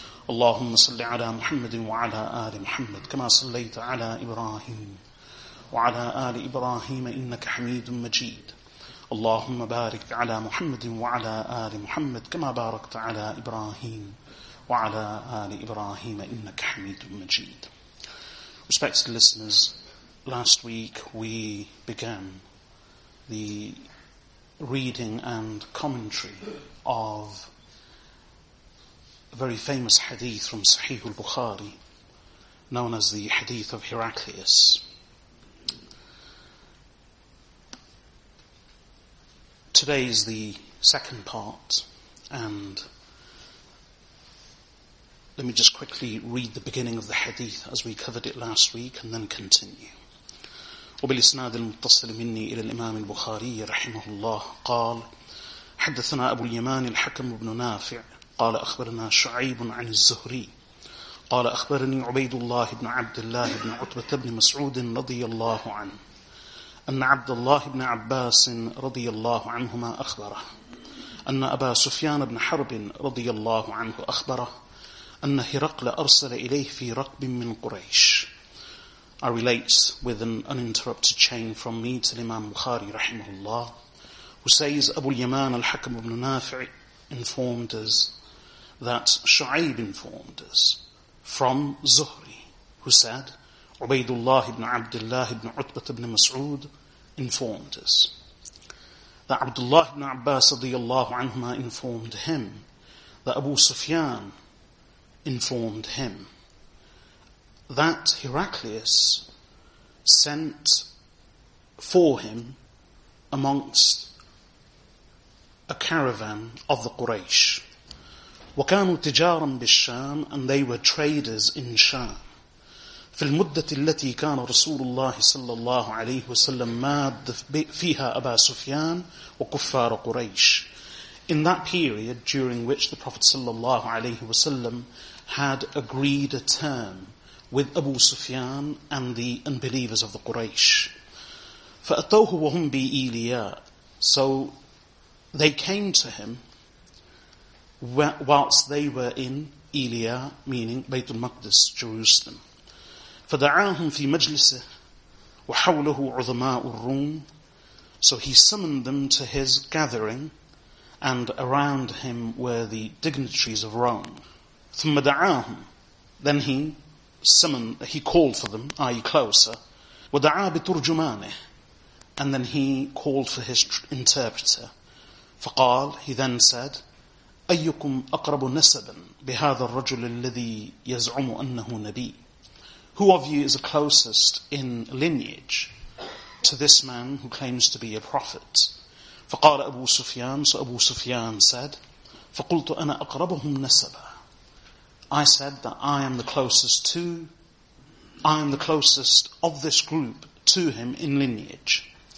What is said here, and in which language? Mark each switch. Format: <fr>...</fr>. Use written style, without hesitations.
<ar>اللهم صل على محمد وعلى آل محمد كما صليت على إبراهيم وعلى آل إبراهيم إنك حميد مجيد اللهم بارك على محمد وعلى آل محمد كما باركت على إبراهيم وعلى آل إبراهيم إنك حميد مجيد.</ar> <en>Respected listeners, last week we began the reading and commentary of a very famous hadith from Sahih al-Bukhari known as the Hadith of Heraclius. Today is the second part, and let me just quickly read the beginning of the hadith as we covered it last week, and then continue.</en> <ar>وبالإسناد المتصل مني إلى الإمام البخاري رحمه الله قال حدثنا أبو اليمان الحكم بن نافع قال أخبرنا شعيب عن الزهري قال أخبرني عبيد الله بن عبد الله بن عتبة بن مسعود رضي الله عنه أن عبد الله بن عباس رضي الله عنهما أخبره أن أبا سفيان بن حرب رضي الله عنه أخبره أن هرقل أرسل إليه في رقب من قريش.</ar> <en>I relate with an uninterrupted chain from me to Imam Bukhari</en> <ar>رحمه الله,</ar> <en>who says أبو اليمان الحكم بن نافع informed us that شعيب informed us from زهري, who said Ubaydullah ibn Abdullah ibn Utbah ibn Mas'ud informed us that Abdullah ibn Abbas radiyallahu anhuma informed him that Abu Sufyan informed him that Heraclius sent for him amongst a caravan of the Quraysh.</en> <ar>وَكَانُوا تِجَارًا بِالشَّامِ,</ar> <en>and they were traders in Sham.</en> <ar>في المدة التي كان رسول الله صلى الله عليه وسلم ماد فيها أبا سفيان وكفار قريش.</ar> <en>In that period during which the Prophet</en> <ar>صلى الله عليه وسلم</ar> <en>had agreed a term with Abu Sufyan and the unbelievers of the Quraysh.</en> <ar>فأتوه وهم بإيلياء.</ar> <en>So they came to him whilst they were in إيلياء, meaning بيت المقدس, Jerusalem.</en> <ar>فدعاهم في مجلسه وحوله عظماء الروم.</ar> <en>So he summoned them to his gathering, and around him were the dignitaries of Rome.</en> <ar>ثم دعاهم,</ar> <en>then he called for them, i.e. closer.</en> <ar>ودعا بترجمانه,</ar> <en>and then he called for his interpreter.</en> <ar>فقال,</ar> <en>he then said,</en> <ar>أيكم أقرب نسبا بهذا الرجل الذي يزعم أنه نبي.</ar> <en>Who of you is the closest in lineage to this man who claims to be a prophet?</en> <ar>فقال أبو سفيان,</ar> <en>so Abu Sufyan said,</en> <ar>فقلت أنا أقربهم نسبا.</ar> <en>I said that I am the closest of this group to him in lineage.</en>